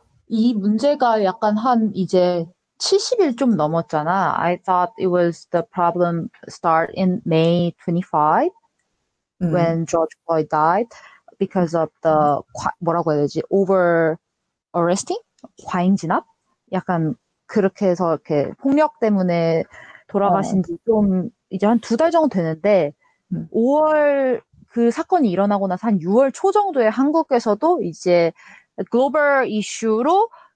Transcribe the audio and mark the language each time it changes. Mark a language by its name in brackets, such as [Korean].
[Korean] 이 문제가 약간 한 이제 70일 좀 넘었잖아. [English] I thought it was the problem start in May 25 when George Floyd died because of the [Korean] 뭐라고 해야 되지? [English] Over arresting? [Korean] 과잉 진압? 약간 그렇게 해서 이렇게 폭력 때문에 돌아가신 지좀 이제 한두달 정도 되는데 5월 그 사건이 일어나고 나서 한 6월 초 정도에 한국에서도 이제 글로벌 이슈로